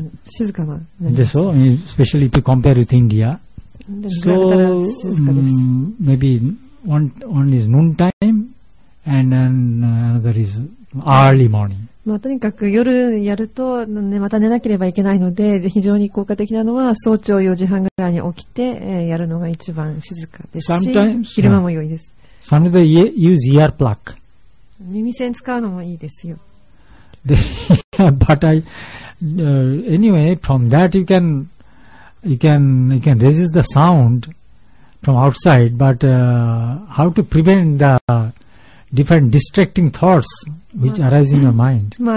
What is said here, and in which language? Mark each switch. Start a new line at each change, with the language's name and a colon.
English: Especially if you compare with India. So, maybe one is noon time and then another is early morning.
Japanese: まあ、とにかく夜やるとね、また寝なければいけないので、非常に効果的なのは早朝4時半ぐらいに起きてやるのが一番静かですし、昼間も良いです。Sometimes
English: they use ear plug.
Japanese: 耳栓使うのもいいですよ。
English: But anyway, from that you can resist the sound from outside, but how to prevent the different distracting thoughts which arise in your mind.